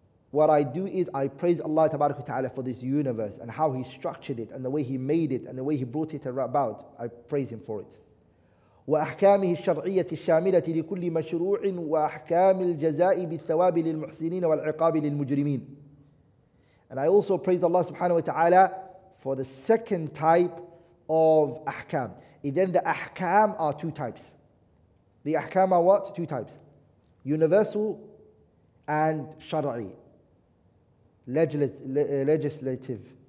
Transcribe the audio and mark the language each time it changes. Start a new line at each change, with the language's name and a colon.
English: What I do is I praise Allah tabarak wa ta'ala for this universe and how He structured it and the way He made it and the way He brought it about. I praise Him for it.
Arabic: وأحكامه الشرعية الشاملة لكل مشروع وأحكام الجزاء بالثواب للمحسنين والعقاب للمجرمين.
English: And I also praise Allah subhanahu wa ta'ala for the second type of ahkam. Then the ahkam are two types. The ahkam are what? Two types. Universal and shar'i. Legislative.